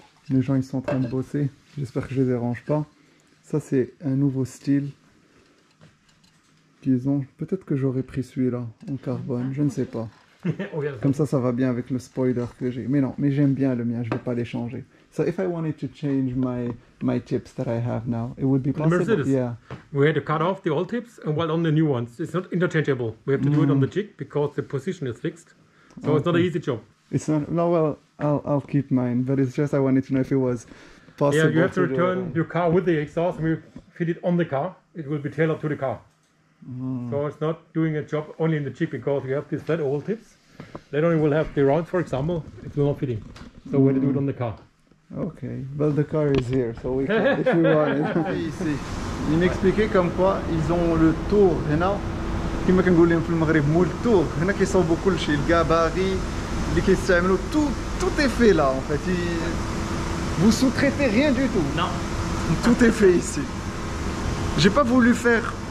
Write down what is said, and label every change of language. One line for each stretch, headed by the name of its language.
French: Les gens ils sont en train de bosser, j'espère que je les dérange pas. Ça c'est un nouveau style qu'ils ont. Peut-être que j'aurais pris celui-là en carbone, je ne sais pas. Comme ça, ça va bien avec le spoiler que j'ai. Mais non, mais j'aime bien le mien, je ne vais pas les changer.
English: So if I wanted to change my tips that I have now, it would be possible. The Mercedes. Yeah. We had to cut off the old tips and weld on the new ones. It's not interchangeable. We have to do it on the jig because the position is fixed. So okay. It's not an easy job. It's not. No, well, I'll keep mine. But it's just I wanted to know if it was possible. Yeah, you have to return your car with the exhaust and we fit it on the car. It will be tailored to the car. Mm. So it's not doing a job only in the jig because you have these flat oval tips. Then only will have the rounds, for example, it will not fit in. So we have to do it on the car. Okay, but the car is here, so we can, if we want it.
French: Ici. Il m'expliquait comme quoi ils ont le tour, hena.
Arabic: Kima kengoulim fil Maghreb,
French: mou le tour. Hena qui sont beaucoup le chez le gabarit, les questions, tout est fait là en fait. Vous sous-traitez rien du tout. Non. Tout est fait ici. J'ai pas voulu faire.